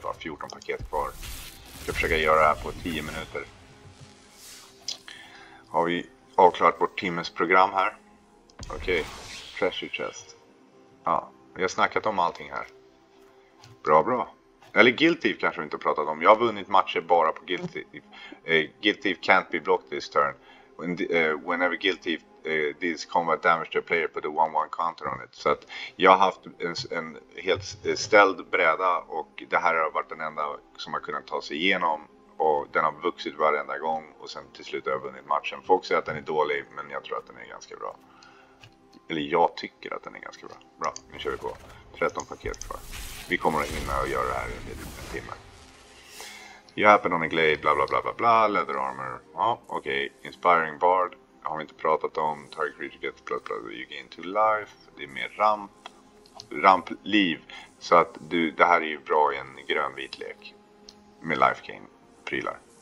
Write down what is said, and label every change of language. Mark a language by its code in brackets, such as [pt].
[sv] Bara 14 paket kvar. Jag ska försöka göra det här på 10 minuter. Har vi avklarat vårt timmes program här? Okej. Okay. Treasure Chest. Ja. Vi har snackat om allting här. Bra, bra. Eller Guilty kanske vi inte har pratat om. Jag har vunnit matcher bara på Guilty. [en] Guilty can't be blocked this turn. Whenever Guilty deals combat damage to a player, put a 1-1 counter on it. [sv] Så att jag har haft en helt ställd bräda och det här har varit den enda som har kunnat ta sig igenom. Och den har vuxit varenda gång och sen till slut har jag vunnit matchen. Folk säger att den är dålig, men jag tror att den är ganska bra. Eller jag tycker att den är ganska bra. Bra, nu kör vi på. 13 paket kvar. Vi kommer att hinna och göra det här under en timme. [en] You happen on a glade, bla bla bla bla bla, leather armor. [sv] Ja, okej. [en] Okay. Inspiring bard. [sv] Har vi inte pratat om. [en] Target creature gets plus plus, you gain 2 life. [sv] Det är mer ramp. Ramp liv. Så att du, det här är ju bra i en grön-vit lek. Med life gain. Prylar.